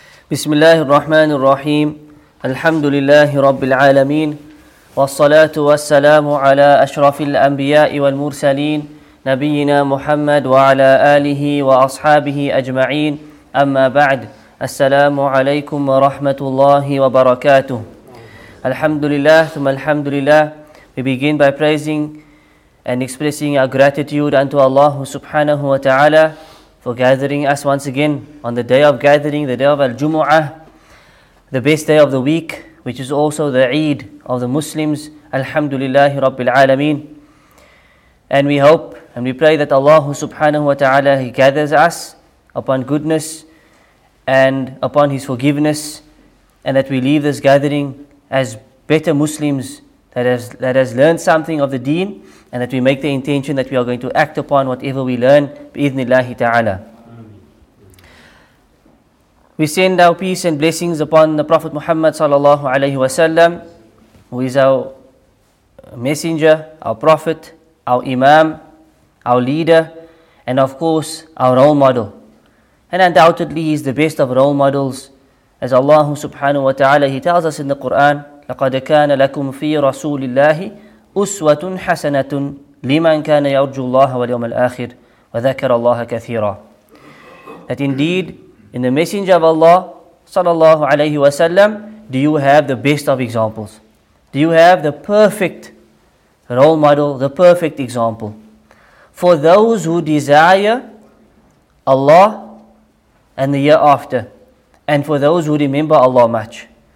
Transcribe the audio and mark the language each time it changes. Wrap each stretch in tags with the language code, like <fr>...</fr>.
<ar>بسم الله الرحمن الرحيم الحمد لله رب العالمين والصلاة والسلام على أشرف الأنبياء والمرسلين نبينا محمد وعلى آله وأصحابه أجمعين أما بعد السلام عليكم ورحمة الله وبركاته الحمد لله ثم الحمد لله.</ar> <en>We begin by praising and expressing our gratitude unto Allah subhanahu wa ta'ala for gathering us once again on the day of gathering, the day of Al-Jumu'ah, the best day of the week, which is also the Eid of the Muslims, Alhamdulillahi Rabbil Alameen. And we hope and we pray that Allah subhanahu wa ta'ala, He gathers us upon goodness and upon His forgiveness, and that we leave this gathering as better Muslims that has learned something of the deen, and that we make the intention that we are going to act upon whatever we learn, bi-idhnillahi ta'ala. We send our peace and blessings upon the Prophet Muhammad sallallahu alayhi wa sallam, who is our messenger, our prophet, our imam, our leader, and of course, our role model. And undoubtedly, he is the best of role models. As Allah subhanahu wa ta'ala, He tells us in the Qur'an,</en> <ar>لَقَدْ كَانَ لَكُمْ فِي رَسُولِ اللَّهِ أُسْوَةٌ حَسَنَةٌ لِمَنْ كَانَ يَرْجُ اللَّهَ وَالْيَوْمَ الْآخِرِ وَذَكَرَ اللَّهَ كَثِيرًا.</ar> <en>That indeed, in the Messenger of Allah sallallahu alayhi wa sallam, do you have the best of examples? Do you have the perfect role model, the perfect example? For those who desire Allah and the year after, and for those who remember Allah much.</en>